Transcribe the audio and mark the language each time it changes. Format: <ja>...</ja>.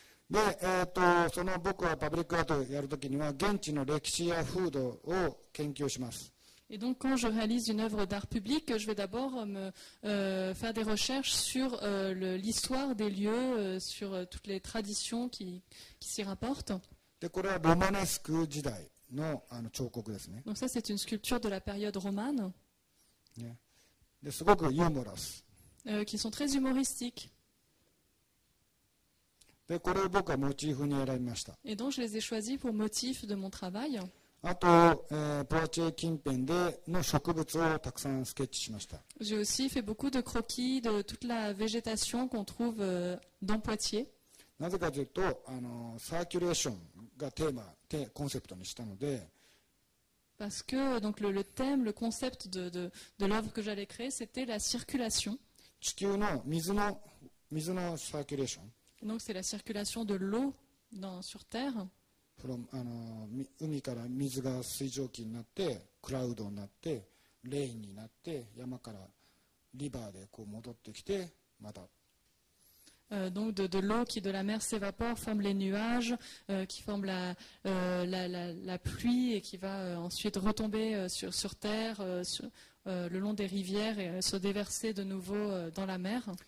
<ja>で、その僕はパブリックアートをやるときには現地の歴史や風土を研究します。</ja> <fr>Et donc, quand je réalise une œuvre d'art public, je vais d'abord me faire des recherches sur l'histoire des lieux, sur toutes les traditions qui s'y rapportent.</fr> <ja>で、これはロマネスク時代の、あの、彫刻ですね。</ja> <fr>Donc ça, c'est une sculpture de la période romane.</fr> <ja>で、すごくユーモラス。</ja> <fr>Qui sont très humoristiques.</fr> <ja>で、これを僕はモチーフに選びました。</ja> <fr>Et donc, je les ai choisis pour motif de mon travail.</fr> <ja>あと、ポワチェ近辺での植物をたくさんスケッチしました。</ja> <fr>J'ai aussi fait beaucoup de croquis de toute la végétation qu'on trouve dans Poitiers.</fr> <ja>なぜかというと、あの、サーキュレーションがテーマ、コンセプトにしたので。</ja> <fr>Parce que donc le thème, le concept de l'œuvre que j'allais créer, c'était la circulation.</fr> <ja>地球の水のサーキュレーション。</ja> <fr>Donc c'est la circulation de l'eau sur Terre.</fr> <ja>あの海から水が水蒸気になってクラウドになってレインになって山からリバーでこう戻ってきてまた。</ja> <fr>Donc de l'eau qui de la mer s'évapore forme les nuages qui forment la pluie et qui va ensuite retomber sur terre le long des rivières et se déverser de nouveau dans la mer.</fr>